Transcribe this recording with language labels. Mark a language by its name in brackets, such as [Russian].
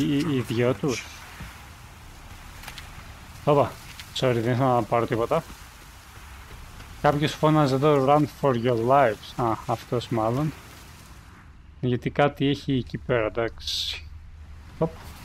[Greek] Οι δυο τους. Ωπα, sorry, δεν ήθελα να πάρω τίποτα. Κάποιος φώναζε εδώ [English] run for your lives. [Greek] Α, αυτός μάλλον. Γιατί κάτι έχει εκεί πέρα, εντάξει. Οπα.